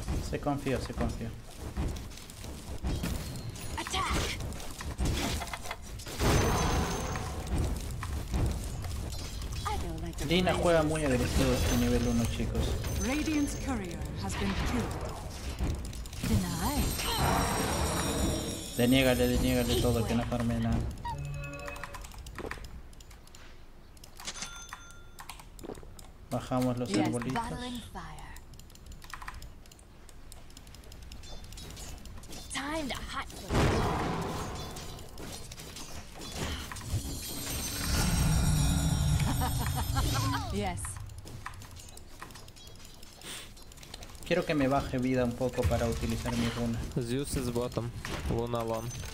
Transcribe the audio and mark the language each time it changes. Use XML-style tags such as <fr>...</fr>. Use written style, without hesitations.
<es>Se confió, se confió. Lina juega muy agresivo este nivel 1, chicos.</es> <en>Radiant's courier has been killed.</en> <es>Deniégale, deniégale todo, que no farme nada. Bajamos los arbolitos. Quiero que me baje vida un poco para utilizar mi runa.</es> <en>Zeus is bottom, Luna alone.</en>